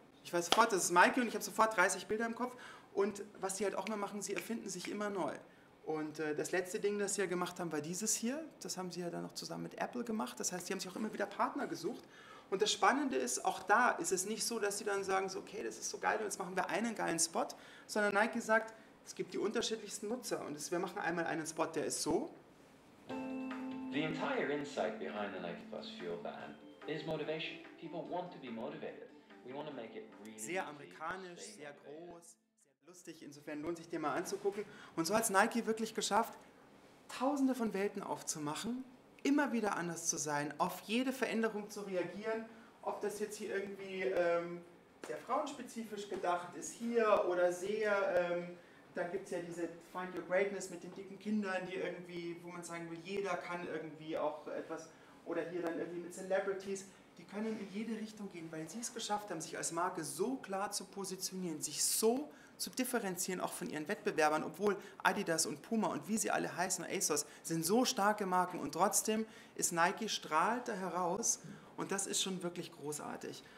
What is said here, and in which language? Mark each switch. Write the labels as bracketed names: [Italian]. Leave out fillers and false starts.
[German] ich weiß sofort, das ist Mikey und ich habe sofort 30 Bilder im Kopf und was sie halt auch immer machen, sie erfinden sich immer neu und das letzte Ding, das sie ja gemacht haben, war dieses hier, das haben sie ja dann noch zusammen mit Apple gemacht, das heißt, sie haben sich auch immer wieder Partner gesucht. Und das Spannende ist, auch da ist es nicht so, dass sie dann sagen, so, okay, das ist so geil, jetzt machen wir einen geilen Spot, sondern Nike sagt, es gibt die unterschiedlichsten Nutzer und wir machen einmal einen Spot, der ist so. [English] The entire insight behind the Nike Plus Fuel Band is motivation. People want to be motivated. We want to make it really [German] sehr amerikanisch, sehr groß, sehr lustig. Insofern lohnt sich, den mal anzugucken. Und so hat es Nike wirklich geschafft, Tausende von Welten aufzumachen, immer wieder anders zu sein, auf jede Veränderung zu reagieren, ob das jetzt hier irgendwie sehr frauenspezifisch gedacht ist hier oder sehr, da gibt es ja diese Find Your Greatness mit den dicken Kindern, die irgendwie, wo man sagen will, jeder kann irgendwie auch etwas, oder hier dann irgendwie mit Celebrities, die können in jede Richtung gehen, weil sie es geschafft haben, sich als Marke so klar zu positionieren, sich so zu differenzieren, auch von ihren Wettbewerbern, obwohl Adidas und Puma und wie sie alle heißen, ASOS, sind so starke Marken und trotzdem ist Nike strahlt da heraus und das ist schon wirklich großartig.